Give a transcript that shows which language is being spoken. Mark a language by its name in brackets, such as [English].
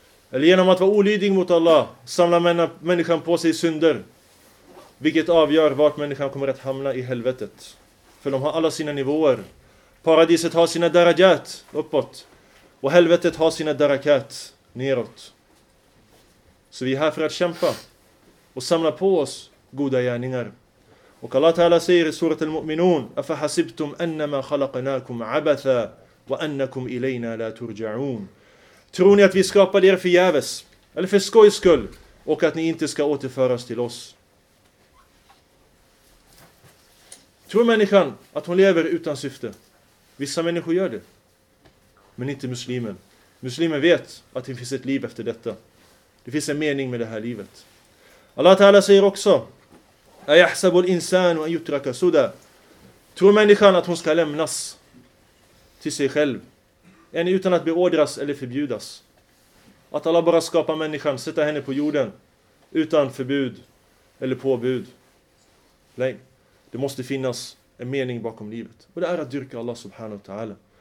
[Swedish] Eller genom att vara olydig mot Allah samlar människan på sig synder, vilket avgör vart människan kommer att hamna i helvetet. För de har alla sina nivåer. Paradiset har sina darajat uppåt. Och helvetet har sina darakat neråt. Så vi är här för att kämpa och samla på oss goda gärningar. Och Allah ta'ala säger i surat al-Mu'minun: [Arabic] أَفَحَسِبْتُمْ أَنَّمَا خَلَقْنَاكُمْ عَبَثًا وَأَنَّكُمْ إِلَيْنَا لَا تُرْجَعُونَ. [Swedish] Tror ni att vi skapade er förgäves eller för skojs skull och att ni inte ska återföras till oss? Tror människan att hon lever utan syfte? Vissa människor gör det, men inte muslimen. Muslimen vet att det finns ett liv efter detta. Det finns en mening med det här livet. Allah ta'ala säger också: [Arabic] أَيَحْسَبُ الْإِنسَانُ أَنْ يُتْرَكَ سُدًى. [Swedish] Tror människan att hon ska lämnas till sig själv? Än utan att beordras eller förbjudas. Att Allah bara skapar människan, sätta henne på jorden utan förbud eller påbud. Nej, det måste finnas en mening bakom livet. Och det är att dyrka Allah subhanahu wa ta'ala.